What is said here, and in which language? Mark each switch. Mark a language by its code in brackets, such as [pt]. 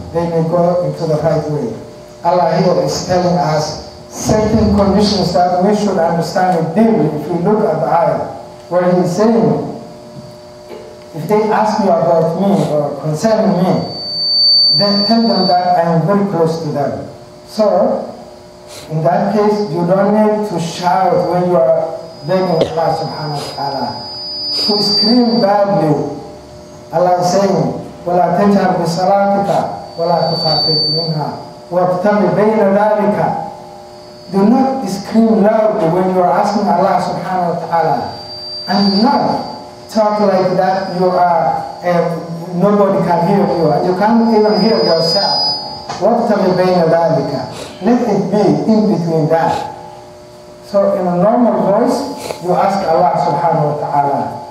[en] They may go into the right way. Allah here is telling us certain conditions that we should understand deeply if we look at the ayah, where he is saying, if they ask you about me or concerning me, then tell them that I am very close to them. So, in that case, you don't need to shout when you are begging Allah subhanahu wa ta'ala. To scream badly, Allah is saying, [ar] وَلَا تَجْهَرْ بِصَلَاتِكَ وَلَا تُخَافِتْ مِنْهَا وَابْتَغِ بَيْنَ ذَلِكَ. [en] Do not scream loudly when you are asking Allah subhanahu wa ta'ala. And not talk like that you are, nobody can hear you. You can't even hear yourself. [ar] وابتغ بين ذلك. [en] Let it be in between that. So in a normal voice, you ask Allah subhanahu wa ta'ala.